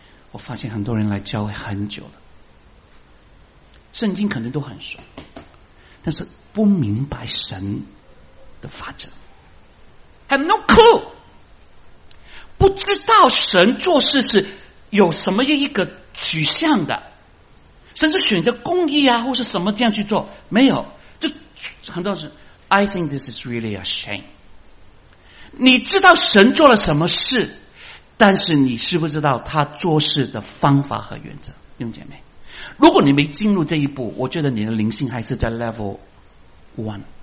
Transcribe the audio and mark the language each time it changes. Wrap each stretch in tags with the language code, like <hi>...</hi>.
<zh>我发现很多人来教会很久了，圣经可能都很熟，但是不明白神的法则，</zh> <en>have no clue，</en> <zh>不知道神做事是有什么一个取向的，甚至选择公义啊或是什么这样去做，没有。就很多人</zh> <en>I think this is really a shame。</en> <zh>你知道神做了什么事，但是你是不知道他做事的方法和原则。弟兄姐妹，如果你没进入这一步，我觉得你的灵性还是在 level 1。</zh>